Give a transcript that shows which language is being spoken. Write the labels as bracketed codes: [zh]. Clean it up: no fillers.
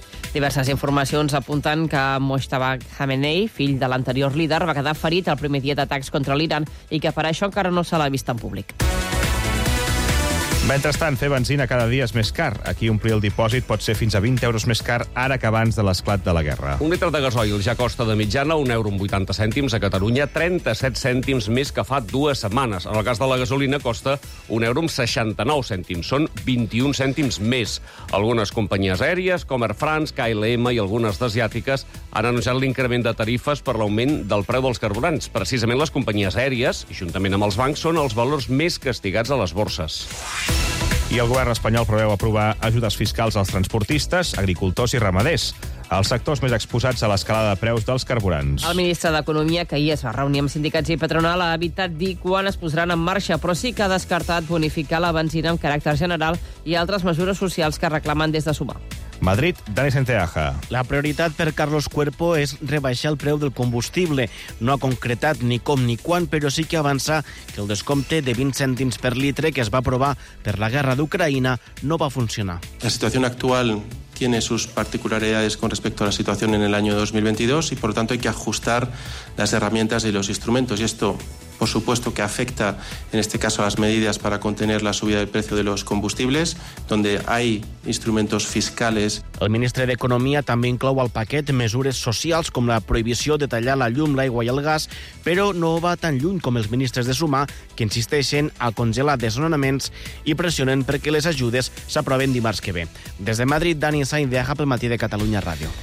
[ca] Diverses informacions apunten que Mojtaba Khamenei, fill de l'anterior líder, va quedar ferit el primer dia d'atacs contra l'Iran i que per això encara no se l'ha vist en públic. Mentrestant, fer benzina cada dia és més car. Aquí omplir el dipòsit pot ser fins a 20 euros més car ara que abans de l'esclat de la guerra. Un litre de gasoil ja costa de mitjana 1,80 euros a Catalunya, 37 cèntims més que fa dues setmanes. En el cas de la gasolina costa 1,69 euros. Són 21 cèntims més. Algunes companyies aèries, com Air France, KLM i algunes d'asiàtiques, han anunciat l'increment de tarifes per l'augment del preu dels carburants. Precisament les companyies aèries, juntament amb els bancs, són els valors més castigats a les borses. I el govern espanyol preveu aprovar ajudes fiscals als transportistes, agricultors i ramaders, els sectors més exposats a l'escalada de preus dels carburants. El ministre d'Economia, que ahir es va reunir amb sindicats i patronal, ha evitat dir quan es posaran en marxa, però sí que ha descartat bonificar la benzina amb caràcter general i altres mesures socials que reclamen des de Sumar. Madrid, Dani Senteaja. La prioritat per Carlos Cuerpo és rebaixar el preu del combustible. No ha concretat ni com ni quan, però sí que avança que el descompte de 20 cèntims per litre que es va aprovar per la guerra d'Ucraïna no va funcionar. La situació actual [es] tiene sus particularidades con respecto a la situación en el año 2022 y, por lo tanto, hay que ajustar las herramientas y los instrumentos. Y esto, por supuesto, que afecta, en este caso, a las medidas para contener la subida del precio de los combustibles, donde hay instrumentos fiscales. [ca] El ministre d'Economia també inclou al paquet mesures socials com la prohibició de tallar la llum, l'aigua i el gas, però no va tan lluny com els ministres de Sumar, que insisteixen a congelar desnonaments i pressionen perquè les ajudes s'aproven dimarts que ve. Des de Madrid, Dani Sainz, de Ajap, el matí de Catalunya Ràdio.